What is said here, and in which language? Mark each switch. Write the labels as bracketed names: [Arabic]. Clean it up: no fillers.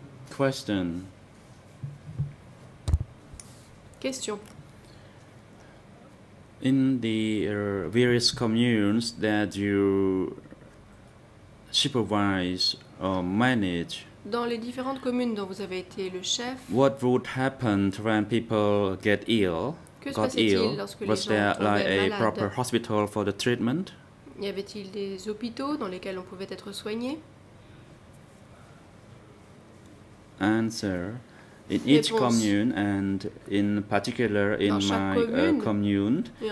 [English] Question. [French] Question. [English] In the various communes that you supervise or manage, [French] dans les différentes communes dont vous avez été le chef, [English] what would happen when people get ill? Got ill? Was there like a proper hospital for the treatment? [French] Y avait-il des hôpitaux dans lesquels on pouvait être soigné? [English] Answer. In each commune, and in particular in my commune,